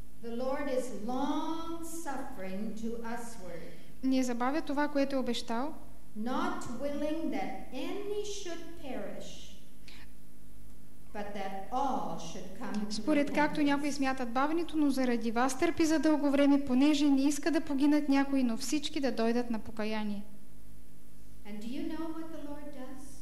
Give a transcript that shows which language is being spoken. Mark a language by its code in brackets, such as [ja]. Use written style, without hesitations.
[en] the Lord is long suffering to usward. [bg] Не забавя това, което е обещал. [en] Not willing that any should perish, but that all should come. [bg] Според както някои смятат бавенето, но заради вас търпи за дълго време, понеже не иска да погинат някои, но всички да дойдат на покаяние. [en] And do you know what the Lord does?